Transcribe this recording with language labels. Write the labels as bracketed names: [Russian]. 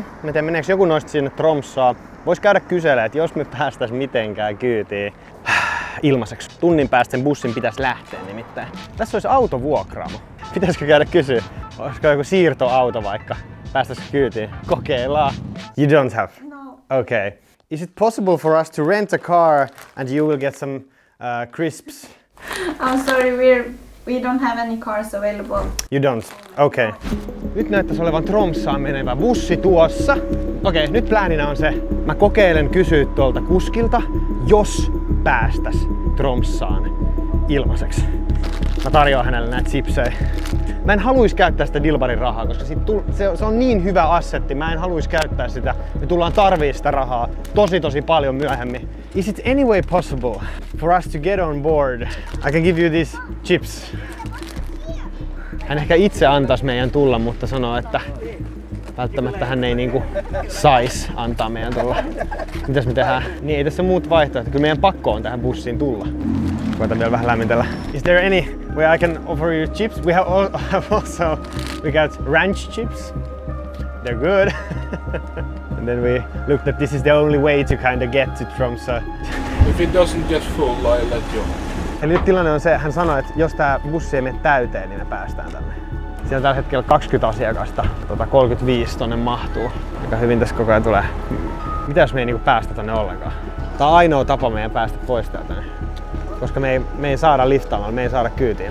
[Finnish] Mä tiedän, meneekö joku noista sinne Tromssaan. Vois käydä kyselemään, että jos me päästäis mitenkään kyytiin ilmaiseksi. Tunnin päästä sen bussin pitäisi lähteä nimittäin. Tässä olisi autovuokraamo. Pitäisikö käydä kysyä? Olisiko joku siirtoauto vaikka? Päästäisikö kyytiin? Kokeillaan. [English] You don't have? No. Okay. Is it possible for us to rent a car and you will get some crisps? I'm sorry, we don't have any cars available. You don't? Okay. [Finnish] Nyt näyttäisi olevan Tromssaan menevä bussi tuossa. Okei, nyt pläninä on se. Mä kokeilen kysyä tuolta kuskilta, jos päästäs Tromssaan ilmaiseksi. Mä tarjoan hänelle näitä sipsejä. Mä en haluaisi käyttää sitä Dilbarin rahaa, koska se on niin hyvä assetti. Mä en haluaisi käyttää sitä. Me tullaan tarvii sitä rahaa tosi paljon myöhemmin. [English] Is it any way possible for us to get on board? I can give you these chips. [Finnish] Hän ehkä itse antaisi meidän tulla, mutta sanoo, että välttämättä hän ei niinku sais antaa meidän tulla. Mitäs me tehdään? Niin ei tässä muut vaihtoehto. Kyllä meidän pakko on tähän bussiin tulla. Koitan vielä vähän lämmitellä. [English] Is there any way I can offer you chips? We have also we got ranch chips. They're good. And then we looked that this is the only way to kind of get it from, so if it doesn't get full, I let you. [Finnish] Eli nyt tilanne on se, hän sanoi, että jos tää bussi ei mene täyteen, niin me päästään tänne. Siinä on tällä hetkellä 20 asiakasta, 35 tonne mahtuu. Aika hyvin tässä koko ajan tulee. Mitä jos me ei niinku päästä tänne ollenkaan? Tää on ainoa tapa meidän päästä pois täältä. Koska me ei saada liftaamalla, me ei saada kyytiä.